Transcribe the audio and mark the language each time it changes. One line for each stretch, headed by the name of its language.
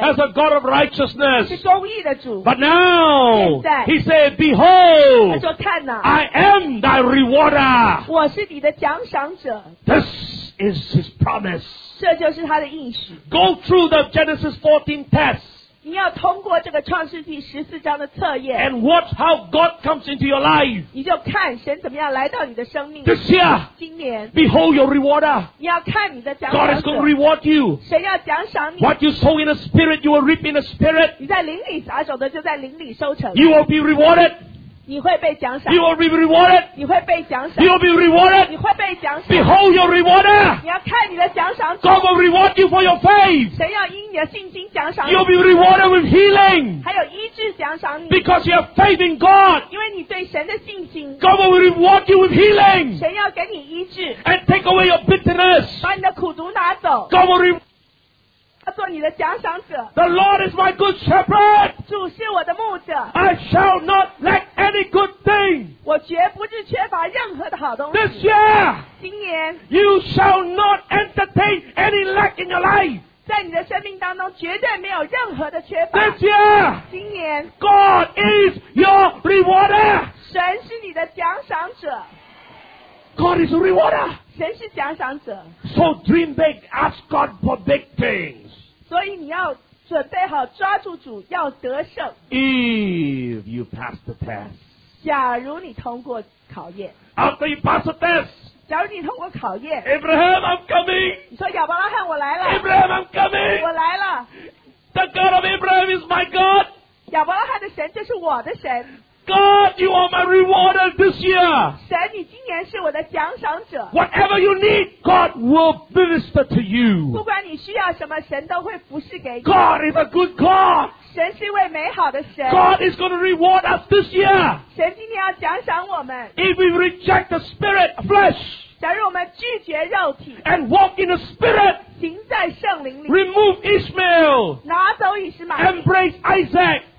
English: as a God of righteousness,
Chinese: 是公义的主,
English: but now,
Chinese: 现在,
English: he said, Behold,
Chinese: 他说, 看哪,
English: I am thy rewarder.
Chinese: 我是你的奖赏者。
English: This is his promise.
Chinese: 这就是他的应许。
English: Go through the Genesis 14 test.
Chinese: 你要通过这个创世纪十四章的测验。
English: And watch how God comes into your life.
Chinese: 你就看神怎么样来到你的生命。
English: This year,
Chinese: 今年,
English: behold your rewarder.
Chinese: 你要看你的奖赏者。
English: God is going to reward you.
Chinese: 神要奖赏你。
English: What you sow in the spirit, you will reap in the spirit.
Chinese: 你在灵里撒种的就在灵里收成。
English: You will be rewarded.
Chinese: 你会被奖赏。
English: You will be rewarded.
Chinese: 你会被奖赏。
English: You will be rewarded.
Chinese: 你会被奖赏。
English: Behold your rewarder.
Chinese: 你要看你的奖赏
English: 者。 God will reward you for your faith.
Chinese: 神要因你的信心奖赏你。
English: You will be rewarded with healing.
Chinese: 还有医治奖赏你。
English: Because you have faith in God.
Chinese: 因为你对神的信心。
English: God will reward you with healing.
Chinese: 神要给你医治。
English: And take away your bitterness.
Chinese: 把你的苦毒拿走。
English: God will reward you.
Chinese: 要做你的奖赏者。
English: The Lord is my good shepherd.
Chinese: 主是我的牧者。
English: I shall not lack any good thing.
Chinese: 我绝不是缺乏任何的好东西。
English: This year,
Chinese: 今年
English: you shall not entertain any lack in your life.
Chinese: 在你的生命当中绝对没有任何的缺乏。
English: This year,
Chinese: 今年
English: God is your rewarder.
Chinese: 神是你的奖赏者。
English: God is a rewarder.
Chinese: 神是奖赏者。
English: So dream big, ask God for big things.
Chinese: 所以你要准备好抓住主要得胜。
English: If you pass the test,
Chinese: 假如你通过考验。
English: After you pass the test,
Chinese: 假如你通过考验。
English: Abraham, I'm coming.
Chinese: 你说亚伯拉罕我来了。
English: Abraham, I'm coming.
Chinese: 我来了。
English: The God of Abraham is my God.
Chinese: 亚伯拉罕的神就是我的神。
English: God, you are my rewarder this year.
Chinese: 神，你今年是我的奖赏者。
English: Whatever you need, God will minister to you.
Chinese: 不管你需要什么，神都会服侍给你。
English: God is a good God.
Chinese: 神是一位美好的神。
English: God is going to reward us this year.
Chinese: 神今年要奖赏我们。
English: If we reject the spirit, flesh.
Chinese: 假如我们拒绝肉体。
English: And walk in the spirit.
Chinese: 行在圣灵里。
English: Remove Ishmael.
Chinese: 拿走以实玛利。
English: Embrace Isaac.